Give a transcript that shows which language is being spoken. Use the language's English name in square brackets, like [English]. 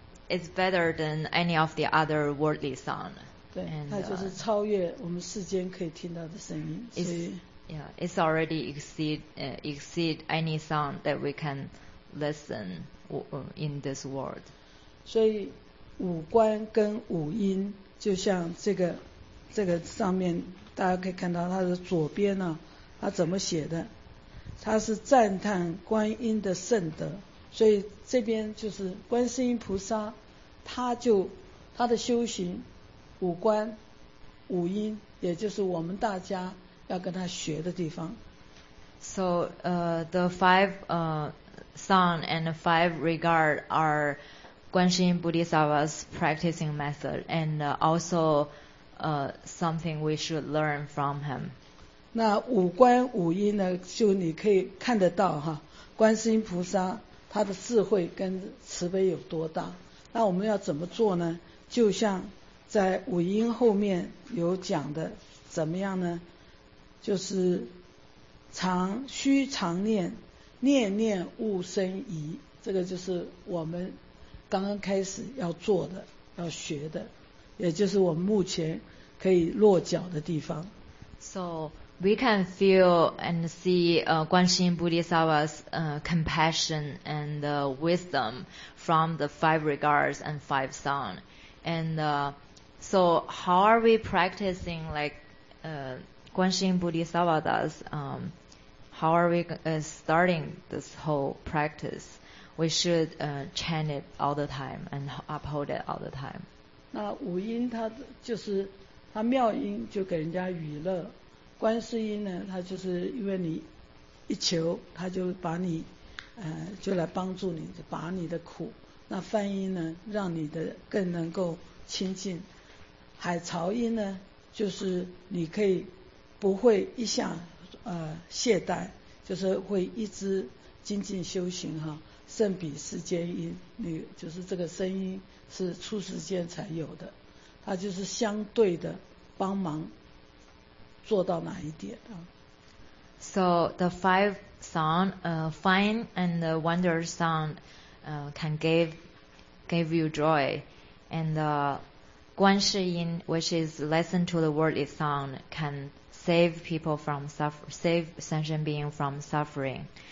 [English] It's better than any of the other worldly sound. 对， and, [Chinese] 它就是超越我们世间可以听到的声音。 [English] It's already exceed any sound that we can listen in this world. [Chinese] 所以五官跟五音。就像这个上面大家可以看到它的左边呢、啊、它怎么写的，它是赞叹观音的圣德，所以这边就是观世音菩萨，他的修行五官五音，也就是我们大家要跟他学的地方。 [English] So the five sound and the five regard are Guanxing Bodhisattva's practicing method and also something we should learn from him. [Chinese] 那五观五音呢，就你可以看得到哈，观世音菩萨他的智慧跟慈悲有多大。那我们要怎么做呢？就像在五音后面有讲的，怎么样呢？就是常须常念，念念勿生疑，这个就是我们刚刚开始要做的要学的，也就是我们目前可以落脚的地方。 [English] So we can feel and see Guanxing Bodhisattva's compassion and wisdom from the five regards and five sound. And so how are we practicing like Guanxing Bodhisattva does? How are we starting this whole practice? We should chant it all the time and uphold it all the time. [Chinese] 那五音它就是它妙音就给人家娱乐，观世音呢，它就是因为你一求，它就把你就来帮助你，就把你的苦。那梵音呢，让你的更能够清净。海潮音呢，就是你可以不会一下懈怠，就是会一直精进修行哈。圣彼世间音，那就是这个声音是出世间才有的，它就是相对的帮忙做到哪一点啊 [English] ？So the five sound, fine and the wonder sound, can give you joy, and the 观世音 which is listen to the worldly sound, can save people from save sentient being from suffering.